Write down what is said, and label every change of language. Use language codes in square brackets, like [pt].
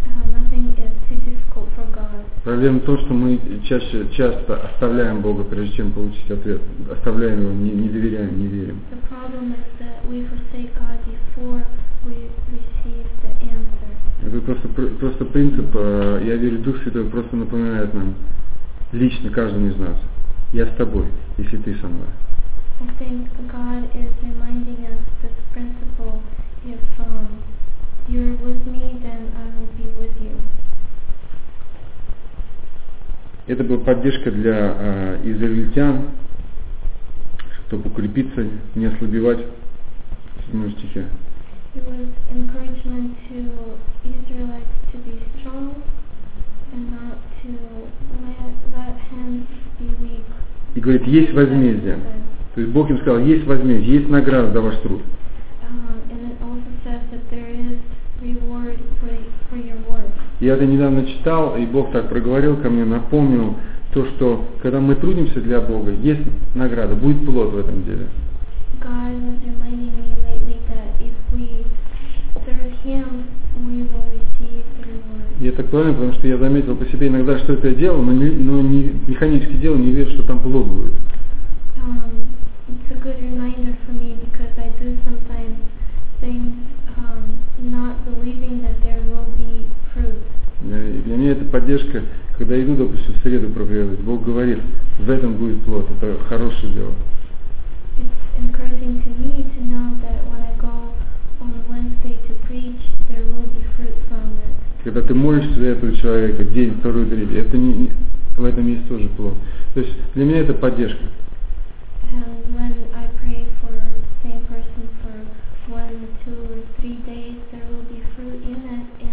[en] Nothing is too difficult for God. [ru] Проблема в том, что мы часто оставляем Бога, прежде чем получить ответ. Оставляем его, не доверяем, не верим. [en] The problem is that we forsake God before we receive the answer. [ru] Это просто принцип, я верю, Дух Святой просто напоминает нам, лично каждому из нас, я с тобой, если ты со мной. [en] I think God is reminding us this principle, if you're with me, then I will be with you. [ru] Это была поддержка для израильтян, чтобы укрепиться, не ослабевать в 7 стихе. [en] It was encouragement to Israelites to be strong and not to let hands be weak. [ru] И говорит, есть возмездие. То есть Бог им сказал, есть возмездие, есть награда за ваш труд. [en] And it also says that there is reward for your work. [ru] Я это недавно читал, и Бог так проговорил ко мне, напомнил то, что когда мы трудимся для Бога, есть награда, будет плод в этом деле. [en] God was reminding me lately that if we serve Him, we will receive reward. [ru] И это актуально, потому что я заметил по себе иногда, что это я делал, но не механически делал, не верю, что там плод будет. [en] It's a good reminder for me because I do sometimes things not believing that there will be. [ru] Для меня это поддержка, когда иду, допустим, в среду проповедовать, Бог говорит, в этом будет плод, это хорошее дело. [en] It's encouraging to me to know that when I go on Wednesday to preach, there will be fruit from it. [ru] Когда ты молишься за этого человека день, второй, третий, это не в этом есть тоже плод. То есть для меня это поддержка. [en] And when I pray for the same person for one, two or three days, there will be fruit in it.